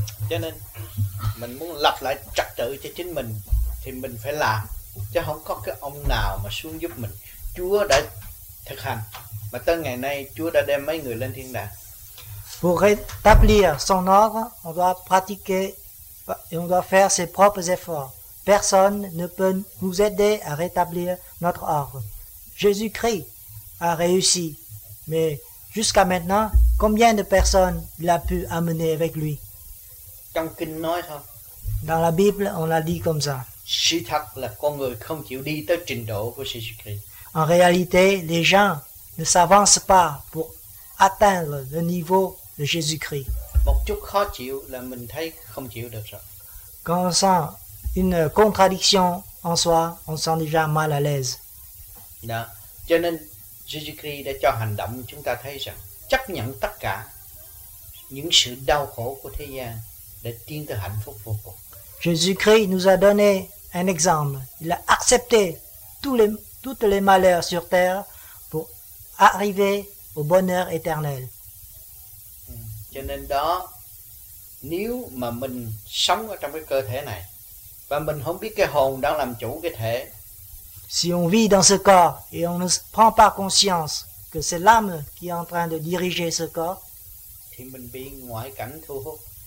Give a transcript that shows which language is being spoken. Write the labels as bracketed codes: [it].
[vi] Cho nên mình muốn lập lại trật tự cho chính mình thì mình phải làm, chứ không có cái ông nào mà xuống giúp mình. Chúa đã thực hành mà tới ngày nay Chúa đã đem mấy người lên thiên đàng. [fr] Pour rétablir son ordre, on doit pratiquer et on doit faire ses propres efforts. Personne ne peut nous aider à rétablir notre ordre. Jésus-Christ a réussi, mais jusqu'à maintenant, combien de personnes il a pu amener avec lui? [vi] Trong kinh nói thôi. [fr] Dans la Bible, on l'a dit comme ça. [vi] Sự thật là con người không chịu đi tới trình độ của Jésus-Christ. [fr] En réalité, les gens ne s'avancent pas pour atteindre le niveau de Jésus-Christ. [vi] Một chút khó chịu là mình thấy không chịu được rồi. [fr] Quand on sent une contradiction en soi, on sent déjà mal à l'aise. [vi] Đó. Cho nên Jésus-Christ đã cho hành động chúng ta thấy rằng chấp nhận tất cả những sự đau khổ của thế gian để tiến tới hạnh phúc vô cùng. [fr] Jésus-Christ nous a donné un exemple. Il a accepté toutes les malheurs sur terre pour arriver au bonheur éternel. [vi] Cho nên đó, nếu mà mình sống ở trong cái cơ thể này và mình không biết cái hồn đang làm chủ cái thể. [fr] Si on vit dans ce corps et on ne prend pas conscience que c'est l'âme qui est en train de diriger ce corps, [vi] thì mình bị ngoại cảnh thu hút.